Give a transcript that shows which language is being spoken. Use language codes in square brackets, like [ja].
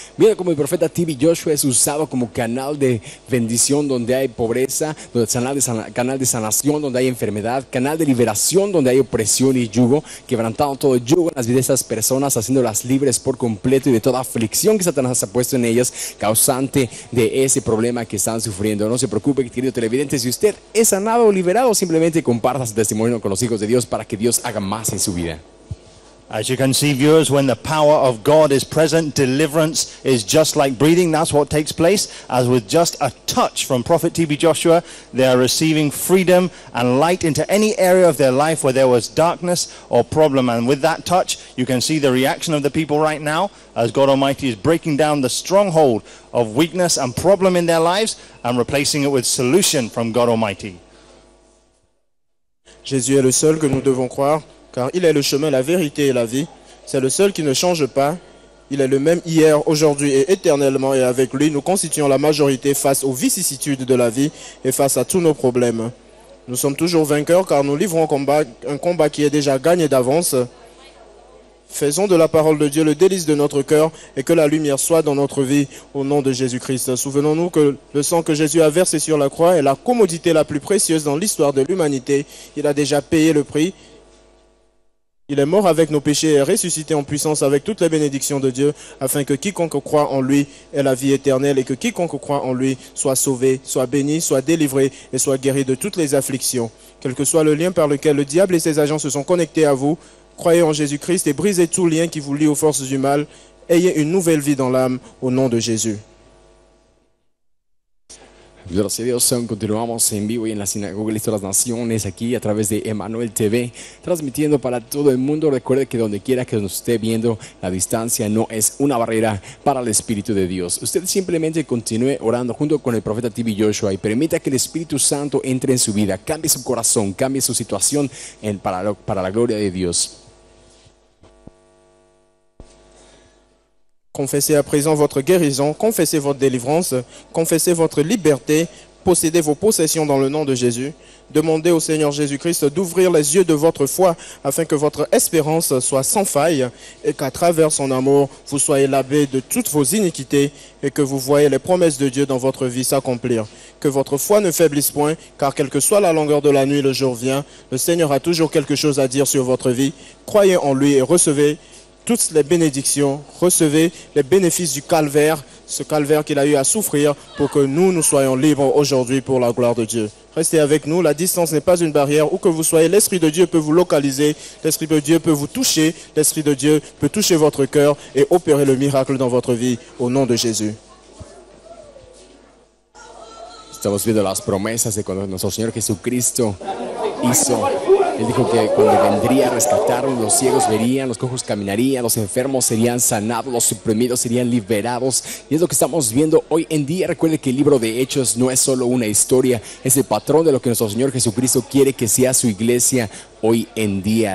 [es] Mira cómo el profeta TV Joshua es usado como canal de bendición donde hay pobreza, donde canal de sanación donde hay enfermedad, canal de liberación donde hay opresión y yugo, quebrantando todo yugo en las vidas de esas personas, haciéndolas libres por completo y de toda aflicción que Satanás ha puesto en ellas, causante de ese problema que están sufriendo. No se preocupe, querido televidente, si usted es sanado o liberado, simplemente comparta su testimonio con los hijos de Dios para que Dios haga más en su vida. [en] As you can see, viewers, when the power of God is present, deliverance is just like breathing. That's what takes place. As with just a touch from Prophet TB Joshua, they are receiving freedom and light into any area of their life where there was darkness or problem. And with that touch, you can see the reaction of the people right now as God Almighty is breaking down the stronghold of weakness and problem in their lives and replacing it with solution from God Almighty. [fr] Jésus est le seul que nous devons croire. Car il est le chemin, la vérité et la vie. C'est le seul qui ne change pas. Il est le même hier, aujourd'hui et éternellement. Et avec lui, nous constituons la majorité face aux vicissitudes de la vie et face à tous nos problèmes. Nous sommes toujours vainqueurs car nous livrons un combat qui est déjà gagné d'avance. Faisons de la parole de Dieu le délice de notre cœur et que la lumière soit dans notre vie au nom de Jésus-Christ. Souvenons-nous que le sang que Jésus a versé sur la croix est la commodité la plus précieuse dans l'histoire de l'humanité. Il a déjà payé le prix. Il est mort avec nos péchés et ressuscité en puissance avec toutes les bénédictions de Dieu, afin que quiconque croit en lui ait la vie éternelle et que quiconque croit en lui soit sauvé, soit béni, soit délivré et soit guéri de toutes les afflictions. Quel que soit le lien par lequel le diable et ses agents se sont connectés à vous, croyez en Jésus-Christ et brisez tout lien qui vous lie aux forces du mal. Ayez une nouvelle vie dans l'âme au nom de Jésus. [es] Gracias a Dios, continuamos en vivo y en la sinagoga de las naciones aquí a través de Emmanuel TV, transmitiendo para todo el mundo. Recuerde que donde quiera que nos esté viendo, la distancia no es una barrera para el Espíritu de Dios. Usted simplemente continúe orando junto con el profeta TV Joshua y permita que el Espíritu Santo entre en su vida, cambie su corazón, cambie su situación para la gloria de Dios. [fr] Confessez à présent votre guérison, confessez votre délivrance, confessez votre liberté, posséder vos possessions dans le nom de Jésus. Demandez au Seigneur Jésus-Christ d'ouvrir les yeux de votre foi afin que votre espérance soit sans faille et qu'à travers son amour, vous soyez lavé de toutes vos iniquités et que vous voyez les promesses de Dieu dans votre vie s'accomplir. Que votre foi ne faiblisse point, car quelle que soit la longueur de la nuit, le jour vient, le Seigneur a toujours quelque chose à dire sur votre vie. Croyez en lui et recevez toutes les bénédictions, recevez les bénéfices du calvaire, ce calvaire qu'il a eu à souffrir pour que nous, nous soyons libres aujourd'hui pour la gloire de Dieu. Restez avec nous, la distance n'est pas une barrière. Où que vous soyez, l'Esprit de Dieu peut vous localiser, l'Esprit de Dieu peut vous toucher, l'Esprit de Dieu peut toucher votre cœur et opérer le miracle dans votre vie, au nom de Jésus. [es] Estamos viendo las promesas de cuando nuestro Señor Jesucristo hizo. Él dijo que cuando vendría a rescatarnos, los ciegos verían, los cojos caminarían, los enfermos serían sanados, los suprimidos serían liberados. Y es lo que estamos viendo hoy en día. Recuerde que el libro de Hechos no es solo una historia, es el patrón de lo que nuestro Señor Jesucristo quiere que sea su iglesia hoy en día.